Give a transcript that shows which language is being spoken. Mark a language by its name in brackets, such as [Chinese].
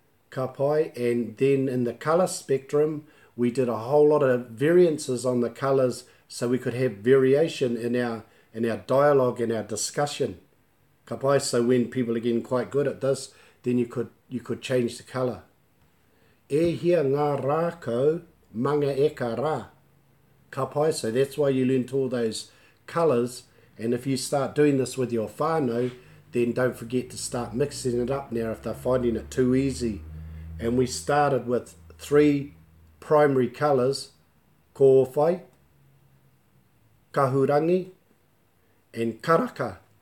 [English] Ka pai, and then in the colour spectrum, we did a whole lot of variances on the colours so we could have variation in our dialogue, in our discussion. Ka pai, so when people are getting quite good at this, then you could change the colour. [Māori] E hia ngā rākau manga eka rā. [English] Ka pai, so that's why you learnt all those colours. And if you start doing this with your whānau, then don't forget to start mixing it up now if they're finding it too easy. And we started with three primary colours, ko whai, kahurangi, and karaka.